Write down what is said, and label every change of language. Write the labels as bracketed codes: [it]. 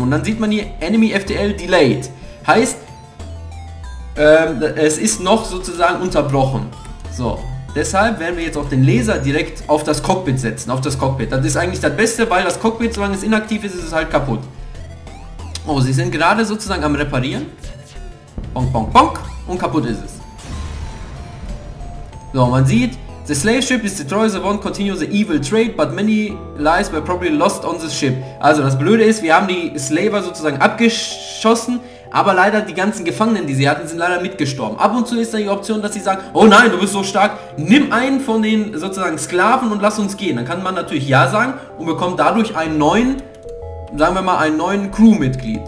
[de] Und dann sieht man hier, [en] enemy FTL delayed. [de] Heißt, es ist noch sozusagen unterbrochen. So. Deshalb werden wir jetzt auch den Laser direkt auf das Cockpit setzen, auf das Cockpit. Das ist eigentlich das Beste, weil das Cockpit, solange es inaktiv ist, ist es halt kaputt. Oh, sie sind gerade sozusagen am Reparieren. Bonk, bonk, bonk. Und kaputt ist es. So, man sieht, [en] the slave ship is destroyed, the one continues the evil trade, but many lives were probably lost on the ship. [de] Also, das Blöde ist, wir haben die Slaver sozusagen abgeschossen. Aber leider die ganzen Gefangenen, die sie hatten, sind leider mitgestorben. Ab und zu ist da die Option, dass sie sagen, oh nein, du bist so stark, nimm einen von den sozusagen Sklaven und lass uns gehen. Dann kann man natürlich ja sagen und bekommt dadurch einen neuen, sagen wir mal, einen neuen Crewmitglied.